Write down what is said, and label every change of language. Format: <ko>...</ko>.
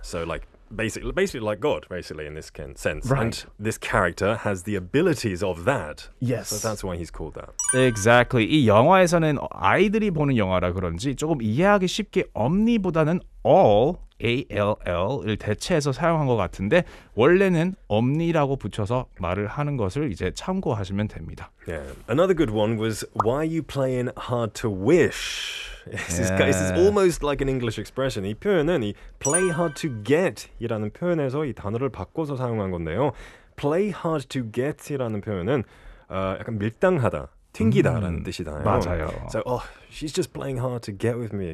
<en>So like basically like God, basically in this sense. Right. And this character has the abilities of that. Yes. So that's why he's called that. Exactly.</en> <ko>이 영화에서는 아이들이 보는 영화라 그런지 조금 이해하기 쉽게 omni보다는 all. ALL을 대체해서 사용한 것 같은데 원래는 omni라고 붙여서 말을 하는 것을 이제 참고하시면 됩니다.</ko> <en>Yeah. Another good one was why are you playing hard to wish? This is almost like an English expression.</en> <ko>이 표현은 이 play hard to get이라는 표현에서 이 단어를 바꿔서 사용한 건데요. Play hard to get이라는 표현은 약간 밀당하다. 튕기다라는 뜻이잖아요. 맞아요.</ko> <en>So, oh, she's just playing hard to get with me.</en>